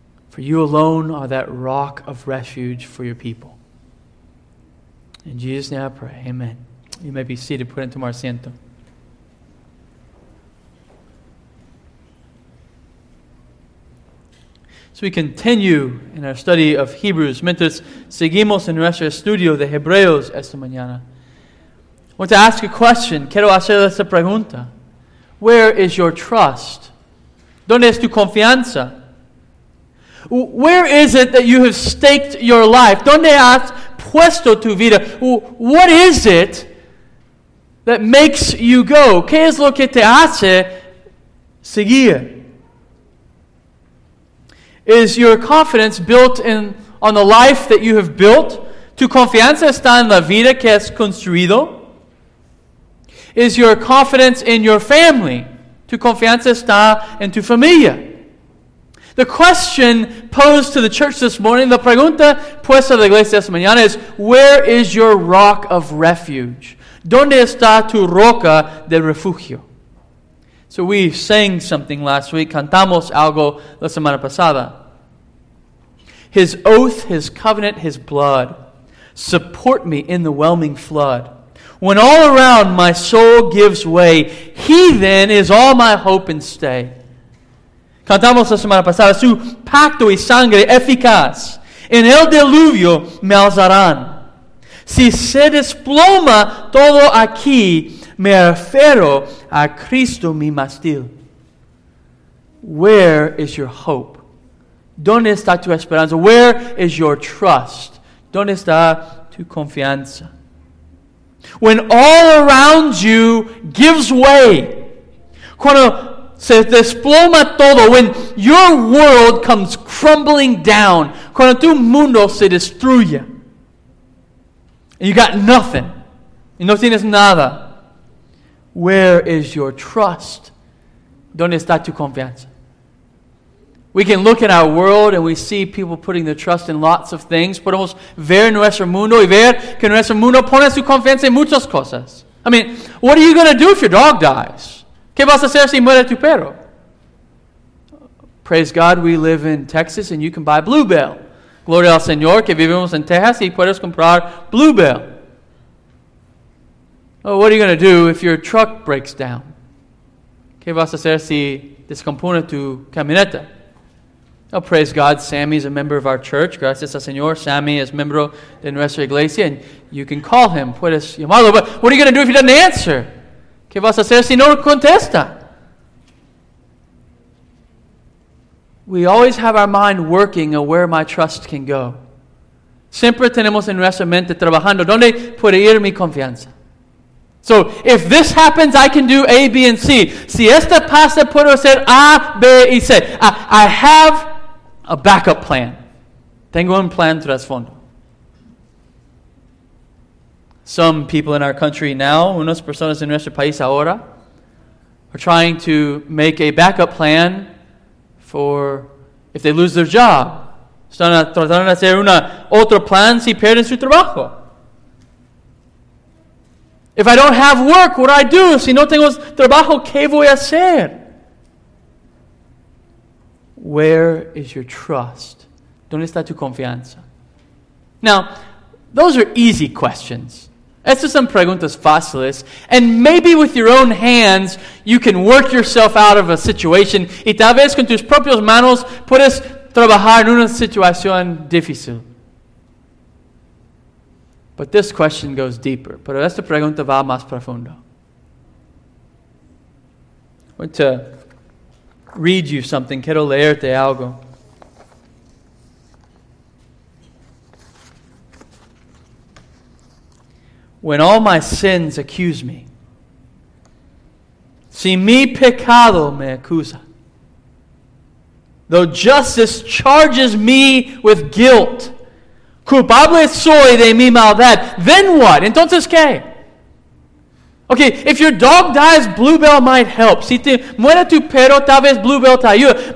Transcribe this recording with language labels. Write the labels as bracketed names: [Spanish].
[English] For you alone are that rock of refuge for your people. In Jesus' name I pray. Amen. You may be seated. Put into more asiento. So we continue in our study of Hebrews. [Spanish] Mientras seguimos en nuestro estudio de Hebreos esta mañana. [English] I want to ask a question. [Spanish] Quiero hacer esta pregunta. [English] Where is your trust? [Spanish] ¿Dónde es tu confianza? [English] Where is it that you have staked your life? [Spanish] ¿Dónde has puesto tu vida? [English] What is it that makes you go? [Spanish] ¿Qué es lo que te hace seguir? [English] Is your confidence built on the life that you have built? [Spanish] ¿Tu confianza está en la vida que has construido? [English] Is your confidence in your family? [Spanish] ¿Tu confianza está en tu familia? [English] The question posed to the church this morning, the [Spanish] pregunta puesta a la iglesia esta mañana [English] is, where is your rock of refuge? [Spanish] ¿Dónde está tu roca de refugio? [English] So we sang something last week, [Spanish] cantamos algo la semana pasada. [English] His oath, his covenant, his blood, support me in the whelming flood. When all around my soul gives way, he then is all my hope and stay. [Spanish] Cantamos la semana pasada, su pacto y sangre eficaz. En el diluvio me alzarán. Si se desploma todo aquí, me refiero a Cristo mi mástil. [English] Where is your hope? [Spanish] ¿Dónde está tu esperanza? [English] Where is your trust? [Spanish] ¿Dónde está tu confianza? [English] When all around you gives way, [Spanish] cuando se desploma todo, [English] when your world comes crumbling down, [Spanish] cuando tu mundo se destruye, [English] and you got nothing, [Spanish] y no tienes nada, [English] where is your trust? [Spanish] ¿Dónde está tu confianza? [English] We can look at our world and we see people putting their trust in lots of things. [Spanish] Podemos ver nuestro mundo y ver que nuestro mundo pone su confianza en muchas cosas. [English] I mean, what are you going to do if your dog dies? [Spanish] ¿Qué vas a hacer si muere tu perro? [English] Praise God, we live in Texas and you can buy Bluebell. [Spanish] Gloria al Señor que vivimos en Texas y puedes comprar Bluebell. [English] Oh, what are you going to do if your truck breaks down? [Spanish] ¿Qué vas a hacer si descompone tu camioneta? [English] Oh, praise God, Sammy is a member of our church. [Spanish] Gracias al Señor, Sammy es miembro de nuestra iglesia, [English] and you can call him. [Spanish] Puedes llamarlo, [English] but what are you going to do if he doesn't answer? [Spanish] ¿Qué vas a hacer si no contesta? [English] We always have our mind working on where my trust can go. [Spanish] Siempre tenemos en nuestra mente trabajando donde puede ir mi confianza. [English] So, if this happens, I can do A, B, and C. [Spanish] Si esta pasa, puedo hacer A, B, y C. [English] I have a backup plan. [Spanish] Tengo un plan trasfondo. [English] Some people in our country now, [Spanish] unas personas en nuestro país ahora, [English] are trying to make a backup plan for if they lose their job. [Spanish] Están tratando de hacer una otro plan si pierden su trabajo. [English] If I don't have work, what do I do? [Spanish] Si no tengo trabajo, ¿qué voy a hacer? [English] Where is your trust? [Spanish] ¿Dónde está tu confianza? [English] Now, those are easy questions. [Spanish] Estas son preguntas fáciles. [English] And maybe with your own hands, you can work yourself out of a situation. [Spanish] Y tal vez con tus propias manos, puedes trabajar en una situación difícil. [English] But this question goes deeper. [Spanish] Pero esta pregunta va más profundo. [English] I want to read you something. [Spanish] Quiero leerte algo. [English] When all my sins accuse me, [Spanish] si mi pecado me acusa, [English] though justice charges me with guilt, [Spanish] culpable soy de mi maldad. [English] Then what? [Spanish] Entonces, ¿qué? [English] Okay, if your dog dies, Bluebell might help. [Spanish] Si te muere tu perro, tal vez Bluebell te ayuda.